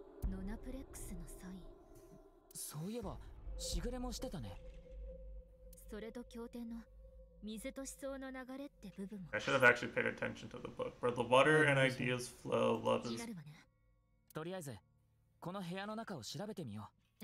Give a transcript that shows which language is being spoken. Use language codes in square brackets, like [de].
[ja] ノナプレックスのサイン。そういえば、しぐれもしてたね。それと経典の水と思想の流れって部分も。 [en] I should have actually paid attention to the book. For the water and ideas flow, love is. [ja] とりあえず、この部屋の中を調べてみよう。